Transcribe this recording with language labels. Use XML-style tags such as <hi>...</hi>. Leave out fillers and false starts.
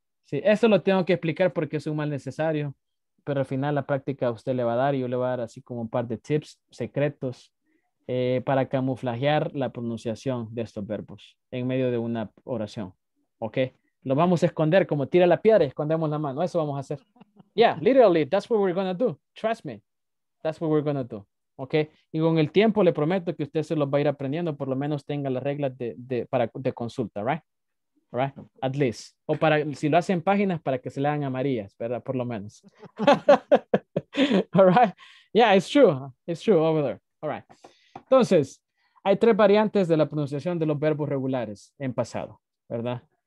<es>Sí, eso lo tengo que explicar porque es un mal necesario, pero al final la práctica a usted le va a dar y yo le voy a dar así como un par de tips secretos. Para camuflajear la pronunciación de estos verbos en medio de una oración, ¿ok? Lo vamos a esconder como tira la piedra, escondemos la mano, eso vamos a hacer.</es> <en>Yeah, literally, that's what we're gonna do, trust me, that's what we're gonna do, ¿ok?</en> <es>Y con el tiempo le prometo que usted se los va a ir aprendiendo, por lo menos tenga las reglas de consulta, right? Right?</es> <en>At least.</en> <es>O para, si lo hacen páginas, para que se le hagan amarillas, ¿verdad? Por lo menos. All right?</es> <en>Yeah, it's true over there, all right.</en> <es>Entonces, hay tres variantes de la pronunciación de los verbos regulares en pasado, ¿verdad?</es>